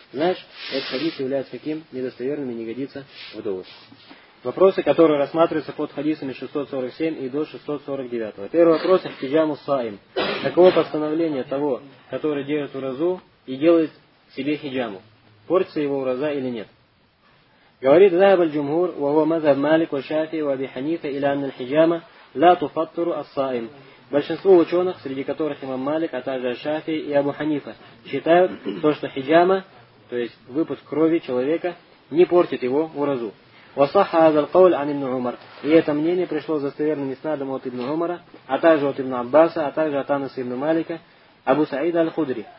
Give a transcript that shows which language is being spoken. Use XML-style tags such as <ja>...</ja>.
<ru>Знаешь, этот хадис является каким? Недостоверным и не годится в довод. Вопросы, которые рассматриваются под хадисами 647 и до 649. Первый вопрос – хиджаму саим. Каково постановление того, который держит уразу и делает себе хиджаму? Портится его ураза или нет?</ru> <ar>Говорит ذهب الجمهور وهو مذهب مالك وشافعي وابي حنيفه الى ان الحجامه لا تفطر الصائم.</ar> <ru>Большинство ученых, среди которых имам Малик, а также Шафии и Абу Ханифа, считают то, что хиджама, то есть выпуск крови человека, не портит его уразу.</ru> <ar>وصح هذا القول عن ابن عمر.</ar> <ru>И это мнение пришло с достоверным иснадом от ибн Умара, а также от ибн Аббаса, а также от Анаса ибн Малика, Абу Саида аль-Худри.</ru>